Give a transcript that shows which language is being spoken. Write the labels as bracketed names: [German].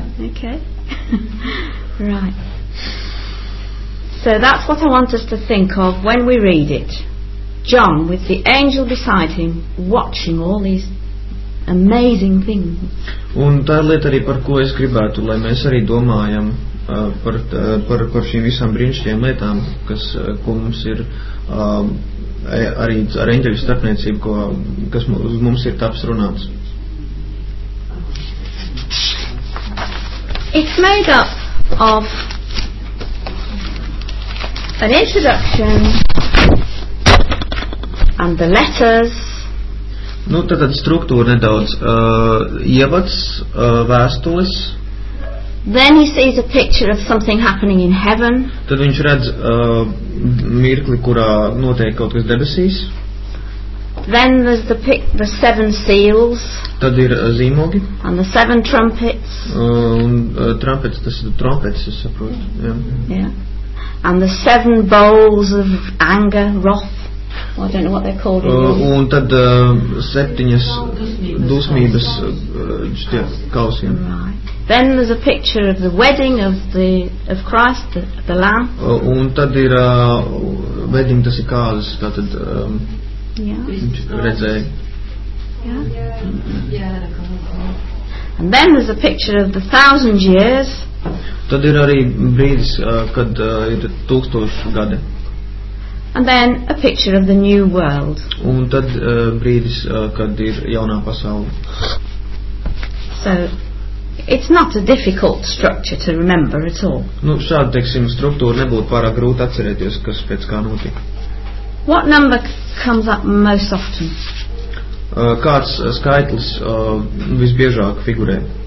[English] Okay. Right. So that's what I want us to think of when we read it. John with the angel beside him watching all these amazing things. [Latvian] Un tā ir lieta arī, par ko es gribētu, lai mēs arī domājam par šīm visām brīnišķīgām lietām, kas, ko mums ir arī ar eņģeļu starpniecību, ko, kas mums ir taps runāts. [English] It's made up of an introduction and the letters. [Latvian] Nu, tad struktūra nedaudz ievads, vēstules. [English] Then he sees a picture of something happening in heaven. [Latvian] Tad viņš redz mirkli, kurā notiek kaut kas debesīs. [English] Then there's the seven seals. [Latvian] Tad ir zīmogi. [English] And the seven trumpets. [Latvian] Trumpets, tas ir trumpets, es saprotu. [English] Yeah. Yeah. And the seven bowls of anger, wrath. I don't know what they're called. [Latvian] Un tad septiņas dusmības šitie kausiem. [English] Then there's a picture of the wedding of Christ, the Lamb. [Latvian] Un tad ir wedding, tas ir kāzes, tā tad redzēja. [English] Yeah. Yeah. And then there's a picture of the thousand years. [Latvian] Tad ir arī brīdis, kad ir tūkstoši gadi. [English] And then a picture of the new world. [Latvian] Un tad brīdis, kad ir jaunā pasaule. [English] So, it's not a difficult structure to remember at all. [Latvian] Nu, šādi, teiksim, struktūra nebūtu pārāk grūti atcerēties, kas pēc kā notiek. [English] What number comes up most often? [Latvian] Kāds skaitlis visbiežāk figurē?